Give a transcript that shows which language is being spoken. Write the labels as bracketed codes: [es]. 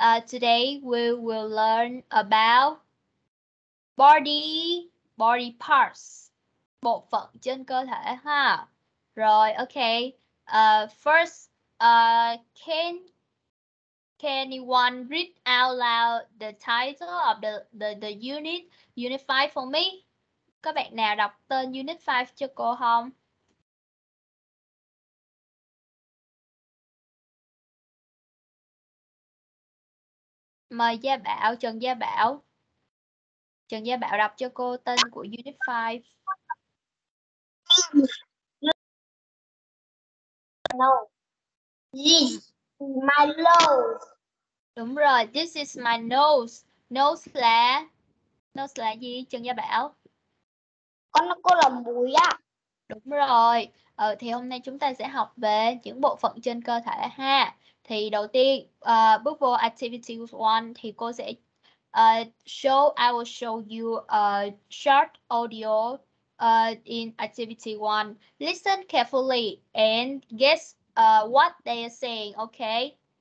[en] Today we will learn about body parts. [vi] Bộ phận trên cơ thể, ha? Rồi, okay. [en] First, can anyone read out loud the title of the unit, unit 5 for me? [vi] Các bạn nào đọc tên unit 5 cho cô không? Mời Gia Bảo, Trần Gia Bảo. Trần Gia Bảo đọc cho cô tên của unit 5. [en] No. This is my nose. [vi] Đúng rồi, [en] this is my nose. [vi] Nose là gì, Trần Gia Bảo? Con nó có là mũi á. Đúng rồi. Thì hôm nay chúng ta sẽ học về những bộ phận trên cơ thể ha. Thì đầu tiên, bước vô activity 1 thì cô sẽ [en] I will show you a short audio. In activity 1, listen carefully and guess what they are saying, okay?